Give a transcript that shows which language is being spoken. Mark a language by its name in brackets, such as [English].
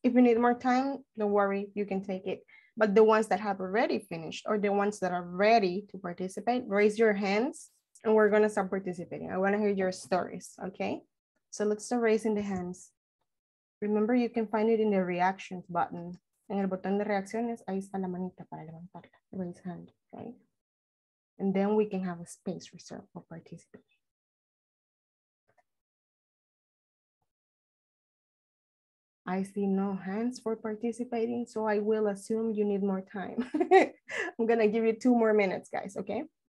[English] If you need more time, don't worry, you can take it. But the ones that have already finished or the ones that are ready to participate, raise your hands and we're going to start participating. I want to hear your stories, okay? So let's start raising the hands. Remember, you can find it in the reactions button. [Spanish] En el botón de reacciones, ahí está la manita para levantarla, [English] raise hand, okay? And then we can have a space reserved for participating. I see no hands for participating, so I will assume you need more time. I'm gonna give you 2 more minutes, guys, okay?